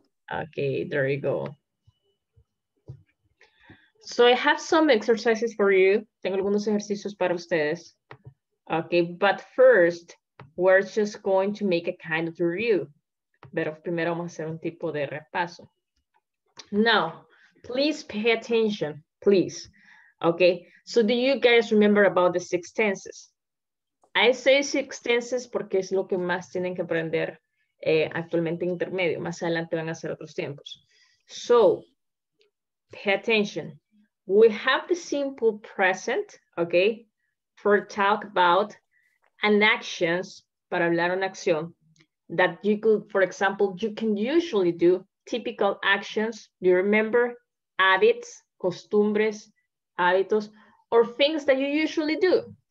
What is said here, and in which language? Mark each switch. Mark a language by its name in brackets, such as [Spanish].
[English] Okay, there you go. So I have some exercises for you. [Spanish] Tengo algunos ejercicios para ustedes. [English] Okay, but first, we're just going to make a kind of review. [Spanish] Pero primero vamos a hacer un tipo de repaso. [English] Now, please pay attention, please. Okay, so do you guys remember about the six tenses? I say six tenses [Spanish] porque es lo que más tienen que aprender actualmente en intermedio. Más adelante van a hacer otros tiempos. [English] So, pay attention. We have the simple present, okay, for talk about an actions, [Spanish] para hablar una acción, [English] that you could, for example, you can usually do typical actions. Do you remember habits, [Spanish] costumbres, hábitos, [English] or things that you usually do?